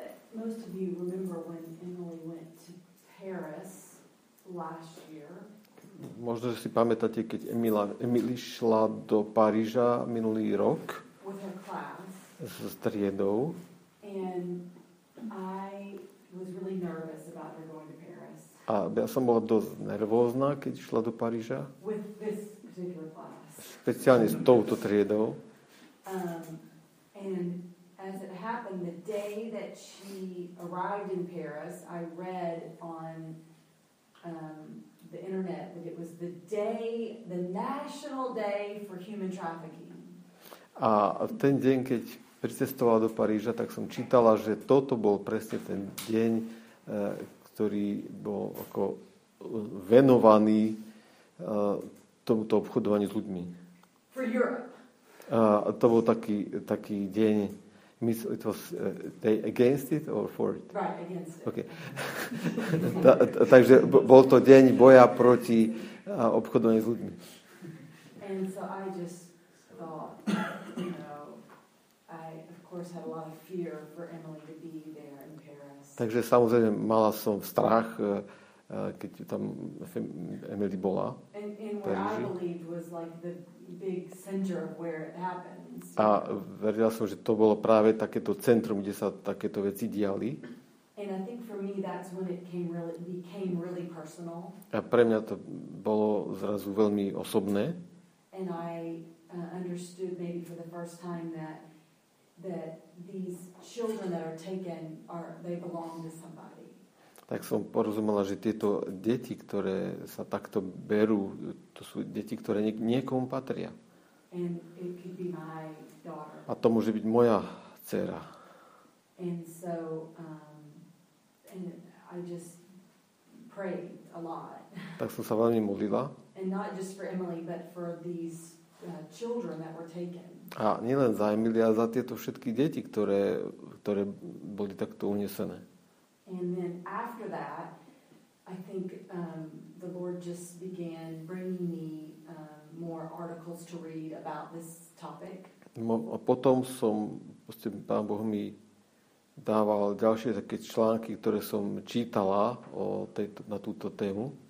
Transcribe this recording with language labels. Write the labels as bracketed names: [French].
[English] Most of you remember when Emily went to Paris last year. [Slovak] Možno si pamätáte, keď Emily šla do Paríža minulý rok. [English] With her class. [Slovak] S triedou. [English] And I was really nervous about her going to Paris. [Slovak] A ja som bola dosť nervózna, keď šla do Paríža. [English] With this particular class. [Slovak] Speciálne s touto triedou. [English] And as it happened, the day that she arrived in Paris, I read on the internet that it was the national day for human trafficking. [Slovak] A ten deň, keď pricestovala do Paríža, tak som čítala, že toto bol presne ten deň, ktorý bol ako venovaný tomuto obchodovaniu s ľuďmi. [English] For Europe. [Slovak] To bol taký deň. [English] It was day against it or for it? Right, against it. Okay. [Slovak] Takže bol to deň boja proti obchodovaniu s ľuďmi. [English] And so I just thought, I of course had a lot of fear for Emily to be there in Paris. [Slovak] Takže samozrejme mala som strach, keď tam Emily bola. [English] And what I believed was like the big center where it happens. [Slovak] A verila som, že to bolo práve takéto centrum, kde sa takéto veci diali. [English] And I think for me that's when it became really personal. [Slovak] A pre mňa to bolo zrazu veľmi osobné. [English] And I understood maybe for the first time that these children that are taken they belong to somebody. [Slovak] Tak som porozumela, že tieto deti, ktoré sa takto berú, to sú deti, ktoré niekomu patria. [English] And it could be my daughter. [Slovak] A to môže byť moja dcéra. [English] And so and I just prayed a lot. [Slovak] Tak som sa veľmi modlila. [English] And not just for Emily, but for these children that were taken. [Slovak] A nielen za Emily, ale za tieto všetky deti, ktoré boli takto unesené. [English] And then after that, I think the Lord just began bringing me more articles to read about this topic. [Slovak] A potom som proste Pán Boh mi dával ďalšie také články, ktoré som čítala na túto tému.